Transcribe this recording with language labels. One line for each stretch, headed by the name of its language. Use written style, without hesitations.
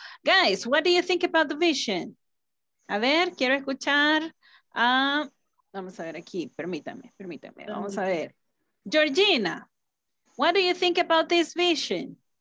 English: Guys, what do you think about the vision?
Spanish: A ver, quiero escuchar a, vamos a ver aquí, permítame, vamos a ver.
English: Georgina, what do you think about this vision?